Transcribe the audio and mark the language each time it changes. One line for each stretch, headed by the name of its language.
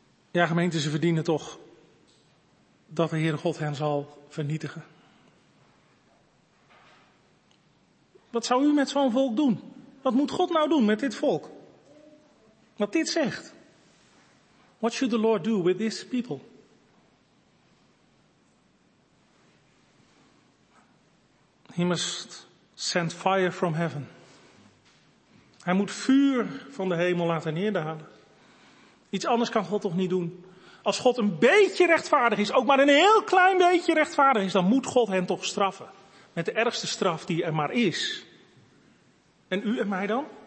Dutch: Ja, gemeente, ze verdienen toch dat de Heere God hen zal vernietigen. Wat zou u met zo'n volk doen? Wat moet God nou doen met dit volk? Wat dit zegt.
English: What should the Lord do with this people? He must send fire from heaven.
Dutch: Hij moet vuur van de hemel laten neerdalen. Iets anders kan God toch niet doen? Als God een beetje rechtvaardig is, ook maar een heel klein beetje rechtvaardig is, dan moet God hen toch straffen. Met de ergste straf die er maar is. En u en mij dan?